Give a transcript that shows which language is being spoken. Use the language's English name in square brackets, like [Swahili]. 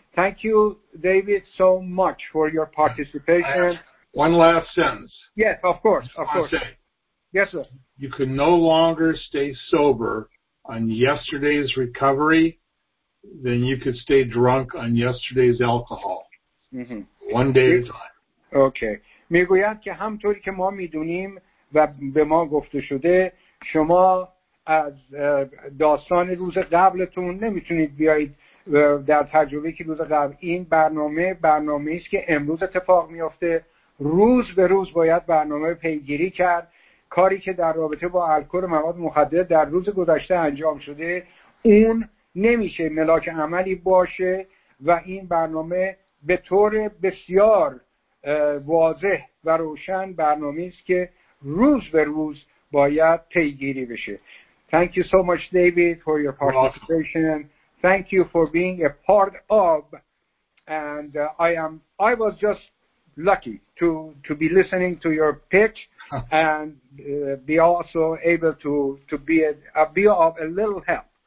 [English] Thank you, David, so much for your participation. One last sentence. Yes, of course, of course. Yes, sir. You can no longer stay sober on yesterday's recovery than you could stay drunk on yesterday's alcohol. Mm-hmm. One day at a time. Okay. [Persian] میگوید که همطوری که ما میدونیم و به ما گفته شده، شما از داستان روز قبلتون نمیتونید بیایید در تجربه که روز قبل، این برنامه است که امروز اتفاق میافته، روز به روز باید برنامه پیگیری کرد، کاری که در رابطه با الکل و مواد مخدر در روز گذشته انجام شده اون نمیشه ملاک عملی باشه و این برنامه به طور بسیار واضح و روشن برنامه است که روز به روز باید پیگیری بشه. [English] Thank you so much, David, for your participation. Thank you for being a part of, and I was just lucky to be listening to your pitch and be also able to be of a little help.